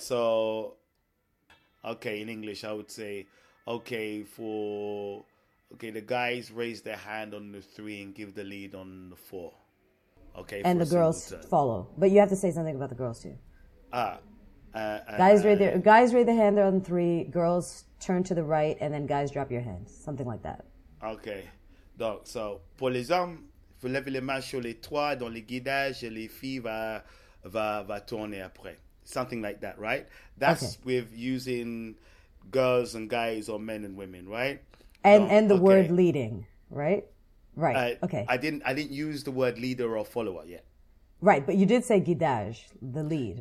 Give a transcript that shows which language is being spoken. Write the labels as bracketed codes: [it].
[en] So, in English, I would say, the guys raise their hand on the three and give the lead on the four. Okay. And the girls follow. But you have to say something about the girls, too. Guys raise their hand on three, girls turn to the right, and then guys drop your hands. Something like that. Okay. [fr] Donc, so, pour les hommes, vous levez les mains sur les trois dans les guidages et les filles va tourner après. [en] Something like that, right? That's with using girls and guys or men and women, right? And the word leading, right? Right. Okay. I didn't use the word leader or follower yet. Right, but you did say guidage, the lead.